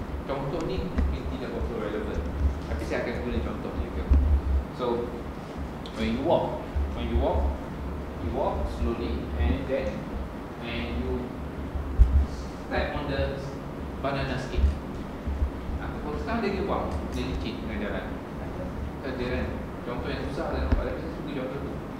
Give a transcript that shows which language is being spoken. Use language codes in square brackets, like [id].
[ms] Contoh ni, mungkin tidak berapa relevan. Tapi saya akan guna contoh ni. Okay? [en] So, when you walk, you walk slowly and you step on the banana skin. [ms] Kalau sekarang dia buat, dia licin dengan jalan. Dia kan, contoh yang susah dan nampak lagi, saya suka contoh tu.